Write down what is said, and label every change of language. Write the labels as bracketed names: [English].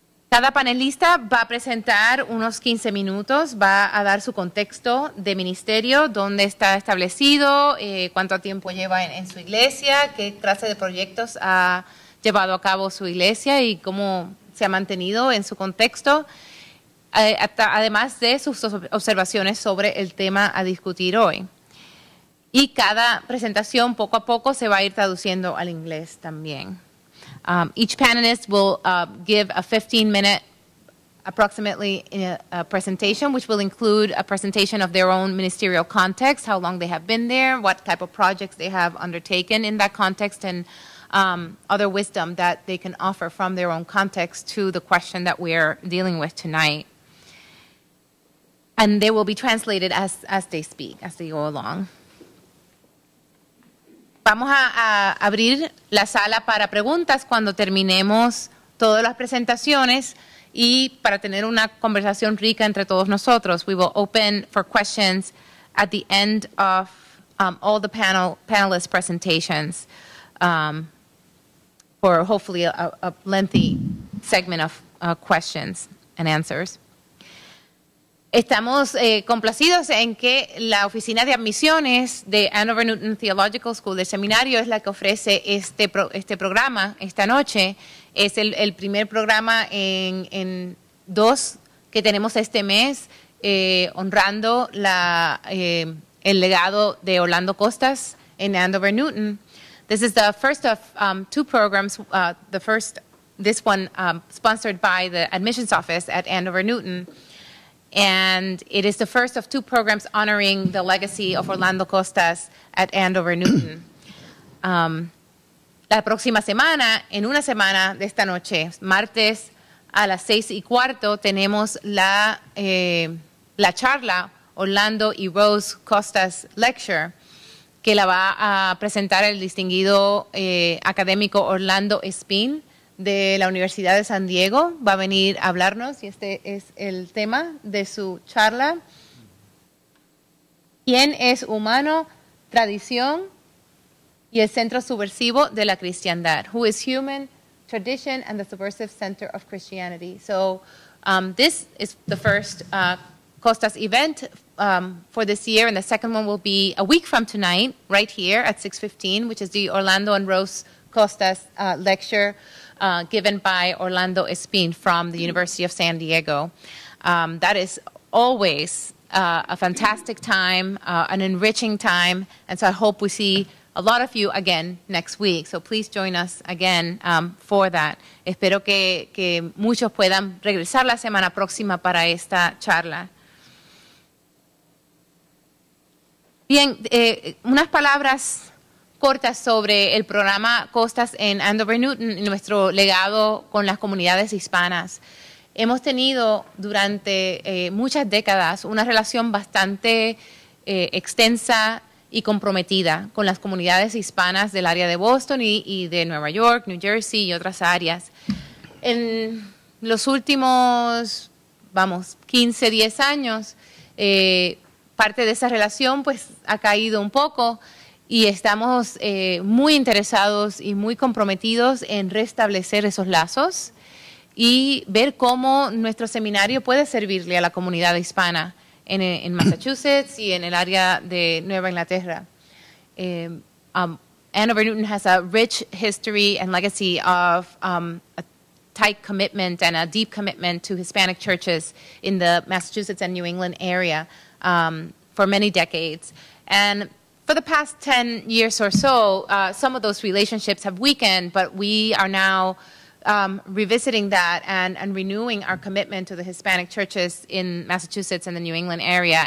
[Spanish] Cada panelista va a presentar unos 15 minutos, va a dar su contexto de ministerio, dónde está establecido, cuánto tiempo lleva en su iglesia, qué clase de proyectos ha llevado a cabo su iglesia y cómo se ha mantenido en su contexto, además de sus observaciones sobre el tema a discutir hoy. Y cada presentación poco a poco se va a ir traduciendo al inglés también. [English] Each panelist will give a 15-minute, approximately, a presentation, which will include a presentation of their own ministerial context, how long they have been there, what type of projects they have undertaken in that context, and other wisdom that they can offer from their own context to the question that we are dealing with tonight. And they will be translated as they speak, as they go along. [Spanish] Vamos a abrir la sala para preguntas cuando terminemos todas las presentaciones y para tener una conversación rica entre todos nosotros. [English] We will open for questions at the end of all the panelists' presentations for hopefully a lengthy segment of questions and answers. [Spanish] Estamos complacidos en que la oficina de admisiones de Andover Newton Theological School del seminario es la que ofrece este programa esta noche. Es el primer programa en dos que tenemos este mes, honrando el legado de Orlando Costas en Andover Newton. [English] This is the first of two programs, this one sponsored by the admissions office at Andover Newton. And it is the first of two programs honoring the legacy of Orlando Costas at Andover Newton. [Spanish] La próxima semana, en una semana de esta noche, martes a las 6:15, tenemos la charla Orlando y Rose Costas Lecture, que la va a presentar el distinguido académico Orlando Espín de la Universidad de San Diego. Va a venir a hablarnos, y este es el tema de su charla. ¿Quién es humano, tradición y el centro subversivo de la cristiandad? [English] Who is human, tradition, and the subversive center of Christianity? So, this is the first Costas event for this year, and the second one will be a week from tonight, right here at 6:15, which is the Orlando and Rose Costas lecture given by Orlando Espín from the University of San Diego. That is always a fantastic time, an enriching time, and so I hope we see a lot of you again next week. So please join us again for that. [Spanish] Espero que muchos puedan regresar la semana próxima para esta charla. Bien, unas palabras cortas sobre el programa Costas en Andover Newton y nuestro legado con las comunidades hispanas. Hemos tenido durante muchas décadas una relación bastante extensa y comprometida con las comunidades hispanas del área de Boston y de Nueva York, New Jersey y otras áreas. En los últimos, 15, 10 años, parte de esa relación pues ha caído un poco, y estamos muy interesados y muy comprometidos en restablecer esos lazos y ver cómo nuestro seminario puede servirle a la comunidad hispana en Massachusetts y en el área de Nueva Inglaterra. [English] Andover Newton has a rich history and legacy of a tight commitment and a deep commitment to Hispanic churches in the Massachusetts and New England area for many decades. And for the past 10 years or so, some of those relationships have weakened, but we are now revisiting that and renewing our commitment to the Hispanic churches in Massachusetts and the New England area.